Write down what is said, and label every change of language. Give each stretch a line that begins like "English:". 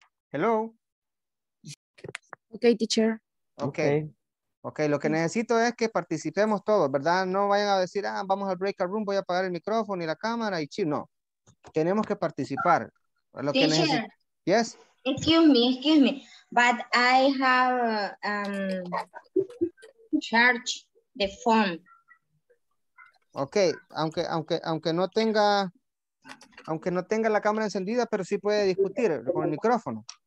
English: Hello. Okay, teacher. Okay.
Spanish: Okay, lo que necesito es que participemos todos, ¿verdad? No vayan a decir, ah, vamos al breakout room, voy a apagar el micrófono y la cámara y chill. No, tenemos que participar. Lo que necesito.
English: Yes. Excuse me, but I have charge the phone.
Spanish: Okay, aunque no tenga la cámara encendida, pero sí puede discutir con el micrófono.